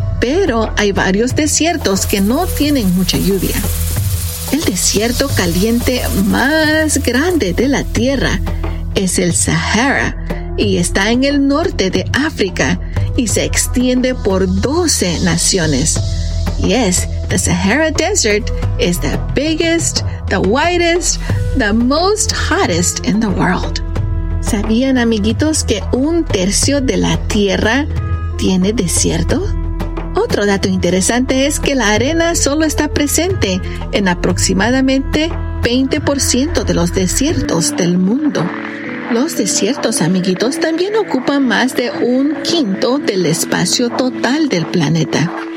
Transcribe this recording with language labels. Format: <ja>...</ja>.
<es>Pero hay varios desiertos que no tienen mucha lluvia. El desierto caliente más grande de la Tierra es el Sahara, y está en el norte de África y se extiende por 12 naciones.</es> <en>Yes, the Sahara Desert is the biggest, the whitest, the most hottest in the world.</en> <es>¿Sabían, amiguitos, que un tercio de la Tierra tiene desierto? Otro dato interesante es que la arena solo está presente en aproximadamente 20% de los desiertos del mundo. Los desiertos, amiguitos, también ocupan más de un quinto del espacio total del planeta.</es>